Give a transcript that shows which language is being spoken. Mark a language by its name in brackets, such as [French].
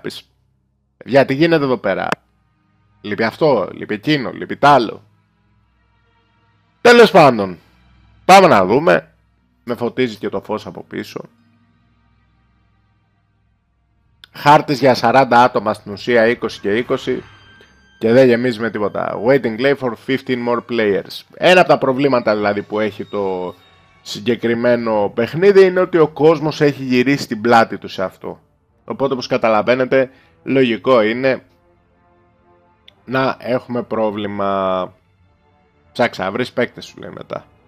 [Greek] Πεις, γιατί γίνεται εδώ πέρα? Λείπει αυτό, λείπει εκείνο, λείπει τ' άλλο. Τέλος πάντων, πάμε να δούμε. Με φωτίζει και το φως από πίσω. Χάρτης για 40 άτομα στην ουσία, 20 και 20. Και δεν γεμίζει με τίποτα. [English] Waiting lay for 15 more players. [Greek] Ένα από τα προβλήματα δηλαδή που έχει το συγκεκριμένο παιχνίδι είναι ότι ο κόσμος έχει γυρίσει την πλάτη του σε αυτό. Οπότε όπως καταλαβαίνετε λογικό είναι να έχουμε πρόβλημα. Ψάξα, βρεις παίκτες σου λέει μετά.